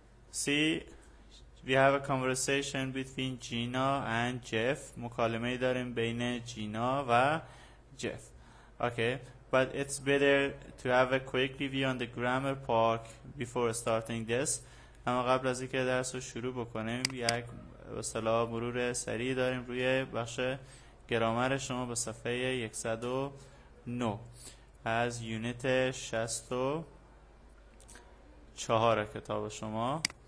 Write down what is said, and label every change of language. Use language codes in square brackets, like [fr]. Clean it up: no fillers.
[en] See, we have a conversation between Gina and Jeff. [fa] مکالمه داریم بین جینا و جف. [en] Okay. But it's better to have a quick review on the grammar part before starting this. [fa] اما قبل از اینکه درس رو شروع بکنیم یک به اصطلاح مرور سریع داریم روی بخش گرامر شما به صفحه 109 از یونیت 64 کتاب شما.